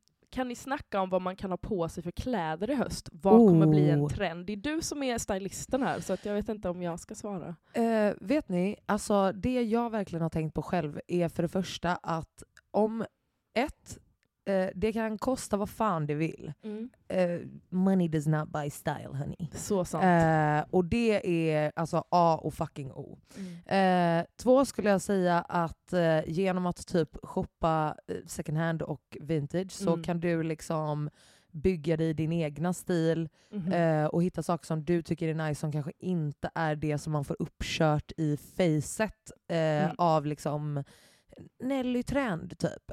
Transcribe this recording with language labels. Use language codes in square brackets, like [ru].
[sv] Kan ni snacka om vad man kan ha på sig för kläder i höst? Vad kommer bli en trend? Det är du som är stylisten här, så att jag vet inte om jag ska svara. Vet ni, alltså det jag verkligen har tänkt på själv är för det första att om ett, det kan kosta vad fan det vill. Mm. [en] Money does not buy style, honey. [sv] Så sant. Och det är alltså A och fucking O. Två skulle jag säga att genom att typ shoppa second hand och vintage så kan du liksom bygga dig din egna stil och hitta saker som du tycker är nice som kanske inte är det som man får uppkört i facet av liksom Nelly trend typ.